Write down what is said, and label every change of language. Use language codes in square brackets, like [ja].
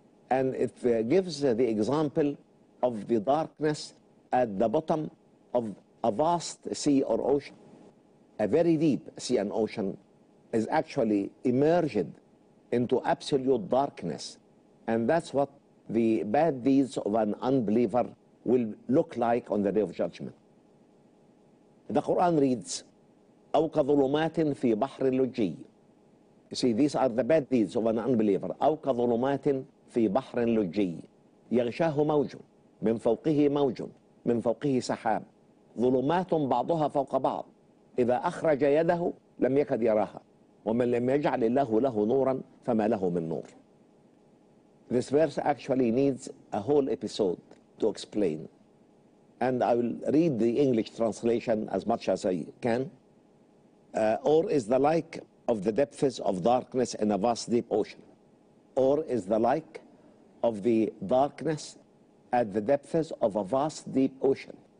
[en] And it gives the example of the darkness at the bottom of a vast sea or ocean. A very deep sea and ocean is actually immersed into absolute darkness. And that's what the bad deeds of an unbeliever will look like on the day of judgment. The Quran reads, [ar] أو كظلمات في بحر لجي. [en] You see, these are the bad deeds of an unbeliever. [ar] أو كظلمات في بحر لجي. يغشاه موج من فوقه موج من فوقه سحاب. ظلمات بعضها فوق بعض. إذا أخرج يده لم يكد يراها. ومن لم يجعل الله له نورا فما له من نور. [en] This verse actually needs a whole episode to explain. And I will read the English translation as much as I can. Or is the like of the depths of darkness in a vast deep ocean. Or is the like of the darkness at the depths of a vast deep ocean.